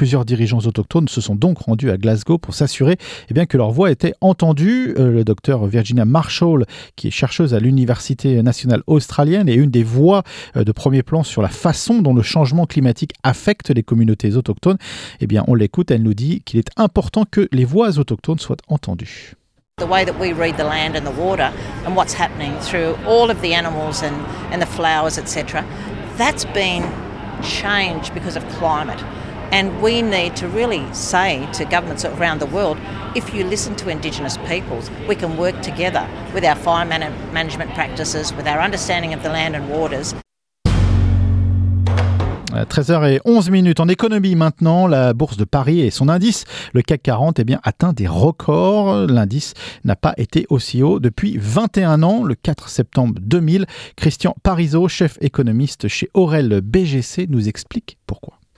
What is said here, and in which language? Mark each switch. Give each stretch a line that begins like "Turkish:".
French: Plusieurs dirigeants autochtones se sont donc rendus à Glasgow pour s'assurer eh bien, que leur voix était entendue. Le docteur Virginia Marshall, qui est chercheuse à l'Université nationale australienne, est une des voix de premier plan sur la façon dont le changement climatique affecte les communautés autochtones. Eh bien, on l'écoute, elle nous dit qu'il est important que les voix autochtones soient entendues.
English: The way that we read the land and the water and what's happening through all of the animals and the flowers, etc., that's been changed because of climate. And we need to really say to governments around the world, if you listen to Indigenous peoples, we can work together with our fire management practices, with our understanding of the land and waters.
French: 13h11 en économie maintenant, la bourse de Paris et son indice, le CAC 40, eh bien, atteint des records. L'indice n'a pas été aussi haut depuis 21 ans, le 4 septembre 2000. Christian Parizeau, chef économiste chez Aurel BGC, nous explique pourquoi.